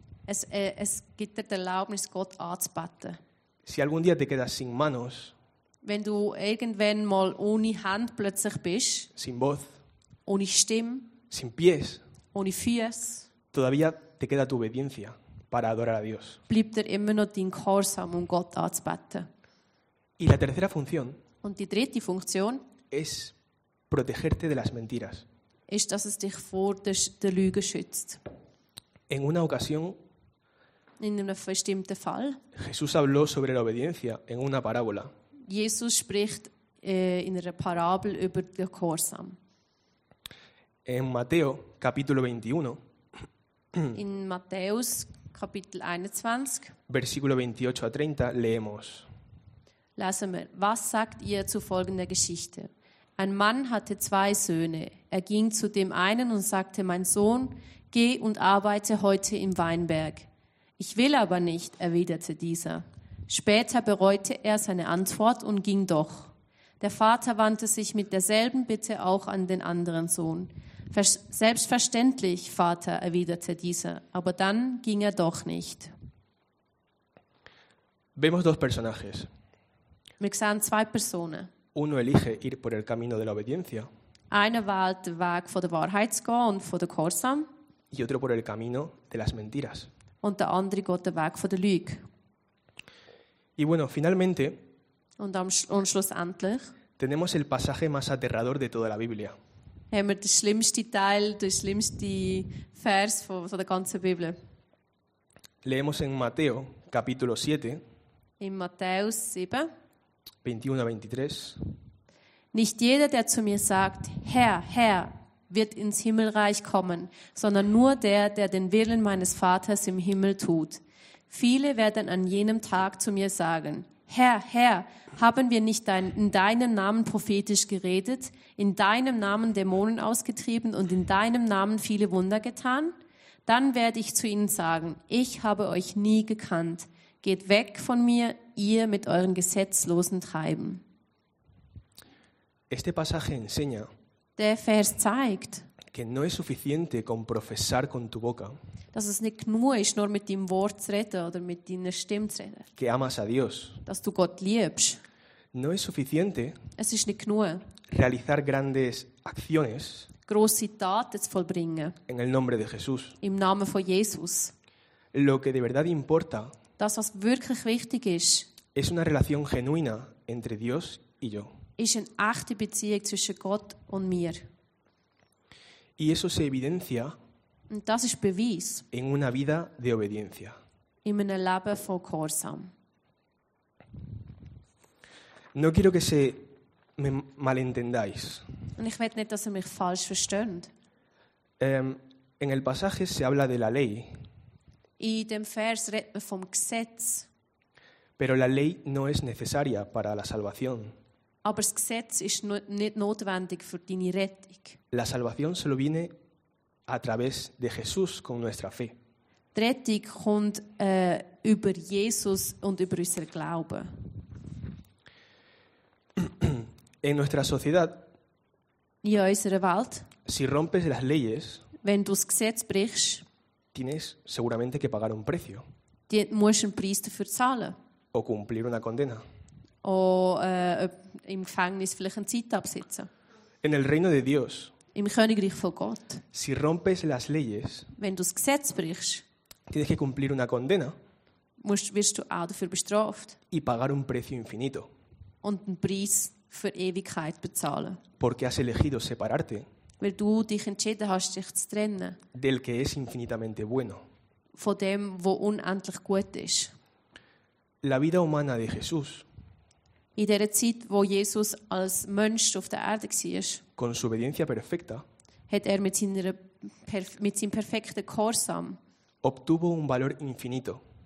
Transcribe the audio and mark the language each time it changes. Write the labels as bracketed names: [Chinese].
[German] Es gibt dir die Erlaubnis, Gott anzubeten. [Spanish] Si algún día te quedas sin manos, [German] wenn du irgendwann mal ohne Hand plötzlich bist, [Spanish] sin voz, [German] ohne Stimme, [Spanish] sin pies, [German] ohne Füße, [Spanish] todavía te queda tu obediencia para adorar a Dios. [German] Bleibt dir immer noch dein Gehorsam, Gott anzubeten. [Spanish] Y la tercera función, [German] und die dritte Funktion, [Spanish] es protegerte de las mentiras. [German] Ist, dass es dich vor der Lüge schützt. [Spanish] En una ocasión, [German] in einem bestimmten Fall, [Spanish] Jesús habló sobre la obediencia en una parábola. [German] Jesus spricht in einer Parabel über den Gehorsam. [Spanish] En Mateo, capítulo 21, [German] in Matthäus, Kapitel 21, [Spanish] versículo 28 a 30, leemos. [German] Lesen wir, was sagt ihr zu folgender Geschichte? Ein Mann hatte zwei Söhne. Er ging zu dem einen und sagte, mein Sohn, geh und arbeite heute im Weinberg. Ich will aber nicht, erwiderte dieser. Später bereute er seine Antwort und ging doch. Der Vater wandte sich mit derselben Bitte auch an den anderen Sohn. Selbstverständlich, Vater, erwiderte dieser, aber dann ging er doch nicht. [Spanish] Vemos dos personajes. [German] Wir sehen zwei Personen. [Spanish] Uno elige ir por el camino de la obediencia. [German] Einer wählt den Weg von der Wahrheit zu gehen und von der Gehorsam. [Spanish] Y otro por el camino de las mentiras. [German] Und der andere geht den Weg von der Lüge. [Spanish] Y bueno, finalmente, [German] und schlussendlich [Spanish] tenemos el pasaje más aterrador de toda la Biblia. [German] Haben wir den schlimmsten Teil, den schlimmsten Vers von der ganzen Bibel. [Spanish] Leemos en Mateo, capítulo 7. [German] In Matthäus 7. 21-23. Nicht jeder, der zu mir sagt, Herr, Herr, wird ins Himmelreich kommen, sondern nur der, der den Willen meines Vaters im Himmel tut. Viele werden an jenem Tag zu mir sagen, Herr, Herr, haben wir nicht in deinem Namen prophetisch geredet, in deinem Namen Dämonen ausgetrieben und in deinem Namen viele Wunder getan? Dann werde ich zu ihnen sagen, ich habe euch nie gekannt. Geht weg von mir, ihr mit euren gesetzlosen Treiben. [Spanish] Este pasaje enseña, [German] der Vers zeigt, [Spanish] que no es suficiente con profesar con tu boca, [German] dass es nicht genug ist, nur mit deinem Wort zu reden oder mit deiner Stimme zu reden, [Spanish] que amas a Dios, [German] dass du Gott liebst. [Spanish] No es suficiente, [German] es ist nicht genug, [Spanish] realizar grandes acciones, [German] grosse Taten zu vollbringen, [Spanish] en el nombre de Jesús. [German] Im Namen von Jesus. [Spanish] Lo que de verdad importa, [German] das, was wirklich wichtig ist, [Spanish] es una relación genuina entre Dios y yo. [German] Ist eine echte Beziehung zwischen Gott und mir. [Spanish] Y eso se evidencia, [German] und das ist Beweis, [Spanish] en una vida de obediencia. [German] In einem Leben von Gehorsam. [Spanish] No quiero que se me malentendáis. [German] Und ich möchte nicht, dass ihr mich falsch versteht. [Spanish] En el pasaje se habla de la ley. [German] In dem Vers redet man vom Gesetz. [Spanish] Pero la ley no es necesaria para la salvación. [German] Aber das Gesetz ist nicht notwendig für deine Rettung. [Spanish] La salvación solo viene a través de Jesús con nuestra fe. [German] Die Rettung kommt über Jesus und über unseren Glauben. [Spanish] En nuestra sociedad, [German] in unserer Welt, [Spanish] si rompes las leyes, [German] wenn du das Gesetz brichst, [Spanish] tienes seguramente que pagar un precio. [German] Musst einen Preis dafür zahlen. [Spanish] O cumplir una condena. [German] O im Gefängnis vielleicht eine Zeit absitzen. [Spanish] En el reino de Dios, [German] im Königreich von Gott, [Spanish] si rompes las leyes, [German] wenn du das Gesetz brichst, [Spanish] tienes que cumplir una condena. [German] Wirst du auch dafür bestraft. [Spanish] Y pagar un precio infinito. [German] Und einen Preis für Ewigkeit bezahlen. [Spanish] Porque has elegido separarte. [German] Weil du dich entschieden hast, dich zu trennen. [Spanish] Del que es infinitamente bueno. [German] Von dem, wo unendlich gut ist. [Spanish] La vida humana de Jesús. [German] In der Zeit, wo Jesus als Mensch auf der Erde war. [Spanish] Con su obediencia perfecta. [German] Hat er mit seinem perfekten Gehorsam. [Spanish] Obtuvo un valor infinito.